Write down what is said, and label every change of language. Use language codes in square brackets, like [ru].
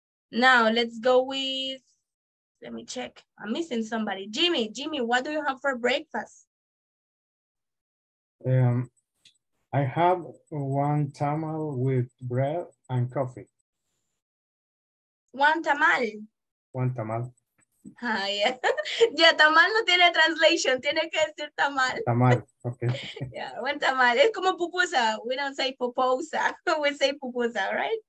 [en] Now, let's go with, let me check. I'm missing somebody. Jimmy, what do you have for breakfast? I have one tamal with bread and coffee. One tamal. [es] Ah, yeah. Ya, tamal no tiene translation, tiene que decir tamal. [en] Tamal, okay. Yeah, one tamal. [es] Es como pupusa. [en] We don't say pupusa, we say pupusa, right?